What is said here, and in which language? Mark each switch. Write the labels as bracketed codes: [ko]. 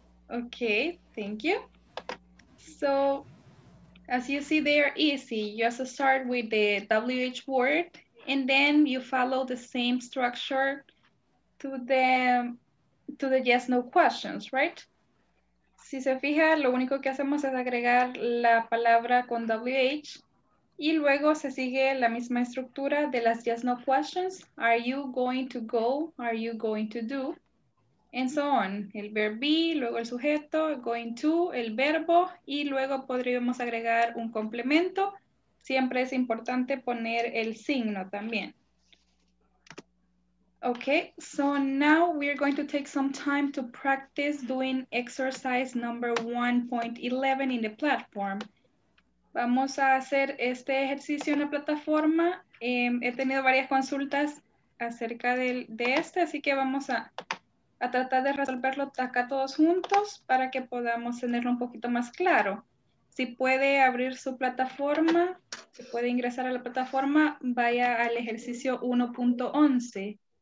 [en] Okay, thank you. So as you see, they are easy. You just start with the WH word and then you follow the same structure to the yes, no questions, right? [es] Si se fija, lo único que hacemos es agregar la palabra con WH. Y luego se sigue la misma estructura de las yes no questions. [en] Are you going to go? Are you going to do? And so on. [es] El verbo be, luego el sujeto, going to, el verbo. Y luego podríamos agregar un complemento. Siempre es importante poner el signo también. [en] Okay, so now we're going to take some time to practice doing exercise number 1.11 in the platform. [es] Vamos a hacer este ejercicio en la plataforma. He tenido varias consultas acerca de este, así que vamos a tratar de resolverlo acá todos juntos para que podamos tenerlo un poquito más claro. Si puede abrir su plataforma, si puede ingresar a la plataforma, vaya al ejercicio 1.11.